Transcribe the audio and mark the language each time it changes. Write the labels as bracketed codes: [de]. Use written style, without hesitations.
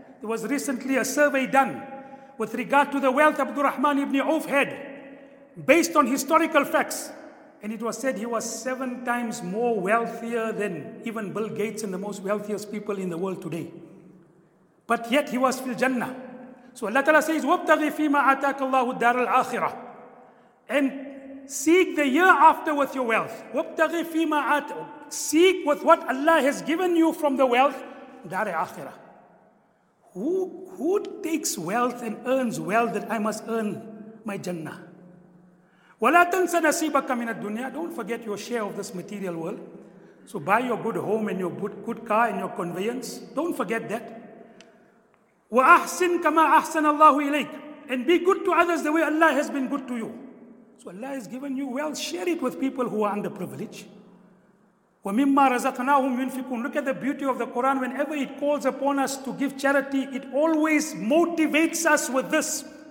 [en] There was recently a survey done with regard to the wealth Abdul Rahman ibn Auf had, based on historical facts. And it was said he was 7 times more wealthier than even Bill Gates and the most wealthiest people in the world today. But yet he was fil Jannah. So Allah Ta'ala says, [ar] وَابْتَغِ فِيمَا عَتَاكَ اللَّهُ الدَّارَ الْآخِرَةِ. [en] And seek the year after with your wealth. [ar] وَابْتَغِ فِيمَا عَتَاكَ. [en] Seek with what Allah has given you from the wealth, Dare Akhirah. Who takes wealth and earns wealth that I must earn my Jannah? [ar] ولا تنس نصيبك من الدنيا. [en] Don't forget your share of this material world. So buy your good home and your good car and your conveyance. Don't forget that. [ar] وأحسن كما أحسن الله إليك. [en] And be good to others the way Allah has been good to you. So Allah has given you wealth. Share it with people who are underprivileged. [ar] وَمِمَّا رَزَقْنَاهُمْ يُنْفِقُونَ. [en] Look at the beauty of the Quran. Whenever it calls upon us to give charity, it always motivates us with this.